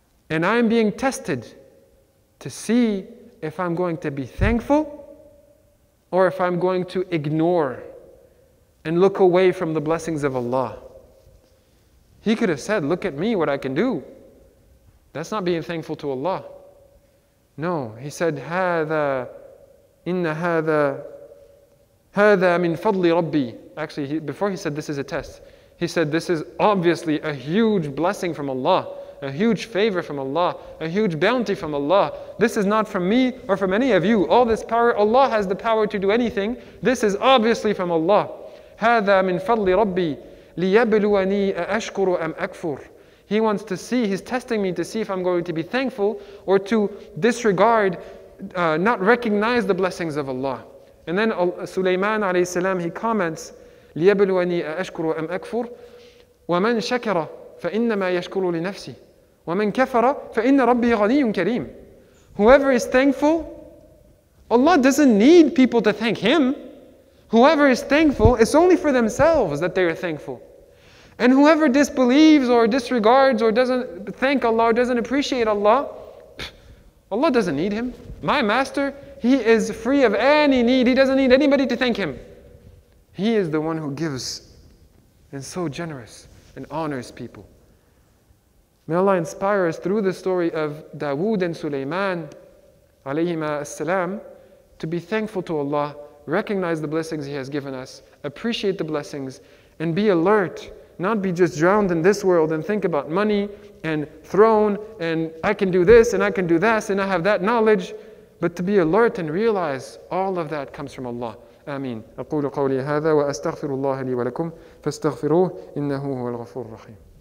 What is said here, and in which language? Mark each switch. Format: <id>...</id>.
<en>And I'm being tested to see if I'm going to be thankful or if I'm going to ignore and look away from the blessings of Allah. He could have said, look at me, what I can do. That's not being thankful to Allah. No, he said,</en> <ar>هَذَا إِنَّ هَذَا هَذَا مِنْ فَضْلِ رَبِّي.</ar> <en>Actually, before he said this is a test, he said this is obviously a huge blessing from Allah, a huge favor from Allah, a huge bounty from Allah. This is not from me or from any of you. All this power, Allah has the power to do anything. This is obviously from Allah.</en> <ar>هَذَا مِنْ فَضْلِ رَبِّي لِيَبْلُوَنِي أَشْكُرُ أَمْ أَكْفُرُ.</ar> <en>He wants to see, he's testing me to see if I'm going to be thankful or to disregard, not recognize the blessings of Allah. And then Sulaiman alayhi salam, he comments,</en> <ar>لِيَبْلُوَنِي أَشْكُرُ أَمْ أَكْفُرُ وَمَنْ شَكَرَ فَإِنَّمَا يَشْكُرُ لِنَفْسِي وَمَنْ كَفَرَ فَإِنَّ رَبِّي غَنِيٌّ كَرِيمٌ.</ar> <en>Whoever is thankful, Allah doesn't need people to thank Him. Whoever is thankful, it's only for themselves that they are thankful. And whoever disbelieves or disregards or doesn't thank Allah or doesn't appreciate Allah, Allah doesn't need him. My master, he is free of any need. He doesn't need anybody to thank him. He is the one who gives and so generous and honors people. May Allah inspire us through the story of Dawood and Suleiman, alayhima as-salam, to be thankful to Allah, recognize the blessings He has given us, appreciate the blessings, and be alert. Not be just drowned in this world and think about money and throne and I can do this and I can do this and I have that knowledge, but to be alert and realize all of that comes from Allah. Ameen.</en> <ar>أقول قولي هذا وأستغفر الله لي ولكم فاستغفروه إنه هو الغفور الرحيم.</ar>